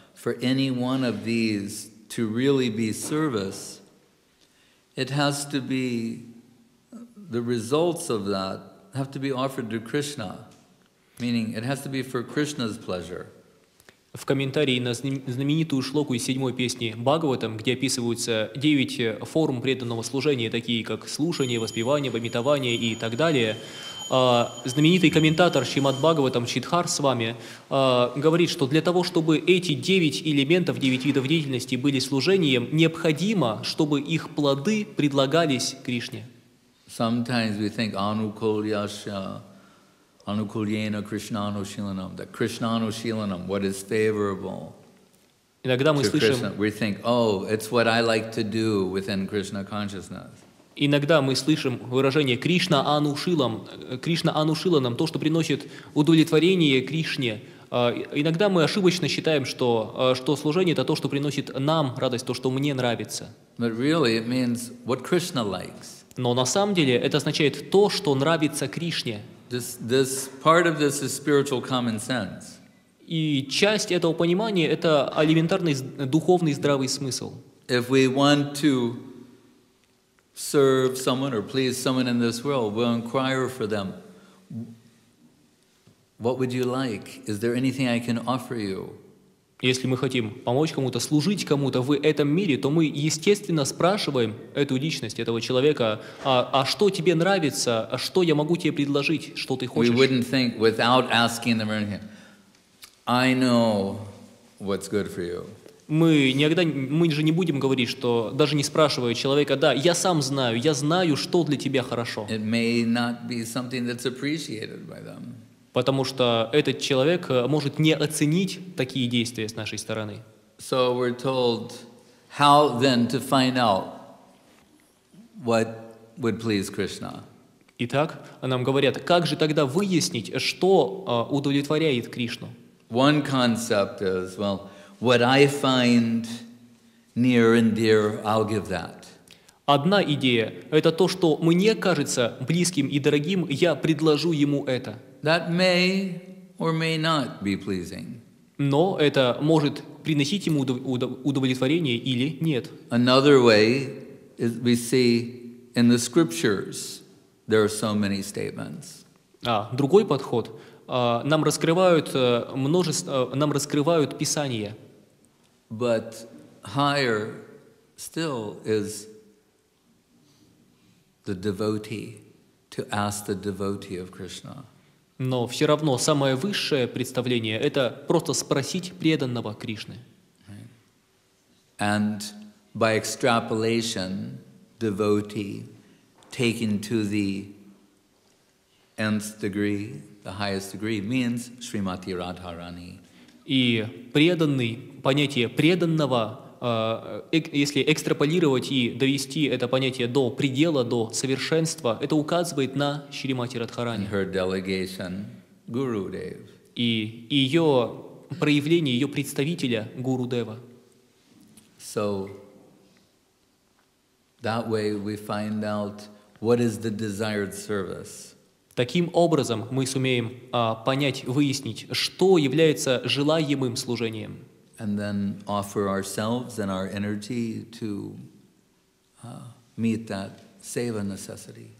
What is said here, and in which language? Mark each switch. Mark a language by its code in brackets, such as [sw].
[en] For any one of these to really be service, it has to be, the results of that have to be offered to Krishna, meaning it has to be for Krishna's pleasure. [ru] В комментарии на знаменитую шлоку из седьмой песни Бхагаватам, где описываются девять форм преданного служения, такие как слушание, воспевание, вамитование и так далее, знаменитый комментатор Шримад Бхагаватам Чидхар с вами говорит, что для того, чтобы эти девять элементов, девять видов деятельности были служением, необходимо, чтобы их плоды предлагались Кришне. [en] Sometimes we think anukulyasya, anukulyena krishnanushilanam, that krishnanushilanam, what is favorable to Krishna. We think, oh, it's what I like to do within Krishna consciousness. [ru] Иногда мы слышим выражение Кришна Анушиланам, то, что приносит удовлетворение Кришне. Иногда мы ошибочно считаем, что служение — это то, что приносит нам радость, то, что мне нравится. [en] But really it means what Krishna likes. [ru] Но на самом деле это означает то, что нравится Кришне. [en] This part of this is spiritual common sense. [ru] И часть этого понимания — это элементарный духовный здравый смысл. [en] If we want to serve someone or please someone in this world, we'll inquire for them. What would you like? Is there anything I can offer you? [ru] Если мы хотим помочь кому-то, служить кому-то в этом мире, то мы, естественно, спрашиваем эту личность, этого человека, а что тебе нравится, а что я могу тебе предложить, что ты хочешь? [en] We wouldn't think without asking them anything. I know what's good for you. [ru] Мы же не будем говорить, что даже не спрашивая человека, да, я сам знаю, я знаю, что для тебя хорошо. [en] It may not be something that's appreciated by them. [ru] Потому что этот человек может не оценить такие действия с нашей стороны. [en] So we're told, how then to find out what would please Krishna? [ru] Итак, нам говорят, как же тогда выяснить, что удовлетворяет Кришну? [en] One concept is, well, what I find near and dear, I'll give that. [ru] Одна идея — это то, что мне кажется близким и дорогим, я предложу ему это. [en] That may or may not be pleasing. [ru] Но это может приносить ему удовлетворение или нет. [en] Another way is we see in the scriptures there are so many statements. [ru] Другой подход. Нам раскрывают Писание. [en] But higher still is the devotee, to ask the devotee of Krishna. [ru] Но все равно самое высшее представление — это просто спросить преданного Кришны. [en] And by extrapolation, devotee taken to the nth degree, the highest degree, means Srimati Radharani. [ru] И преданный, понятие преданного, если экстраполировать и довести это понятие до предела, до совершенства, это указывает на Шримати Радхарани. [en] Her delegation, Guru Dev. [ru] И ее проявление, ее представителя Гуру Дева. [en] So, that way we find out what is the desired service. [ru] Таким образом мы сумеем понять, выяснить, что является желаемым служением. [en] And then offer ourselves and our energy to meet that seva necessity.